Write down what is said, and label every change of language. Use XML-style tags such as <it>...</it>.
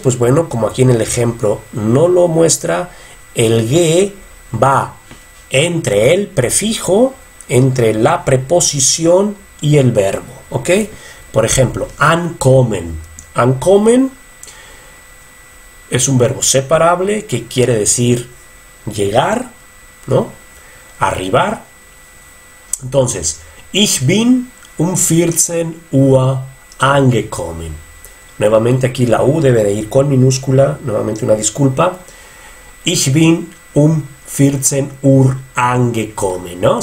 <es>Pues bueno, como aquí en el ejemplo no lo muestra, el ge va entre el prefijo, entre la preposición y el verbo, ¿ok? Por ejemplo, ankommen. Ankommen es un verbo separable que quiere decir llegar, ¿no? Arribar.</es> <de>Entonces, ich bin um 14 Uhr angekommen.</de> <es>Nuevamente aquí la U debe de ir con minúscula. Nuevamente una disculpa.</es> <de>Ich bin um 14 Uhr angekommen, ¿no?</de>